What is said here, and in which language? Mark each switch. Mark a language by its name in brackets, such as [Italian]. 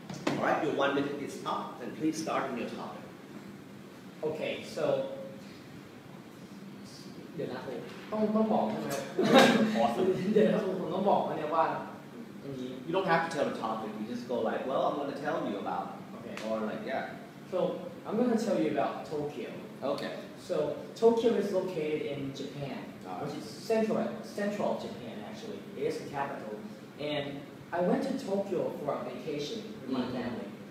[English] Alright, your 1 minute is up, then please start on your topic. Okay, so... [Thai] เดี๋ยวนะครับต้องบอกใช่ไหมเดี๋ยวนะครับผมต้องบอกว่าเนี่ยว่าอย่างนี้ [English] You don't have to tell the topic, you just go like, well, I'm going to tell you about... Okay. Or like, yeah. So, I'm going to tell you about Tokyo. Okay. So, Tokyo is located in Japan, which is central Japan, actually. It is the capital. And I went to Tokyo for a vacation with my family.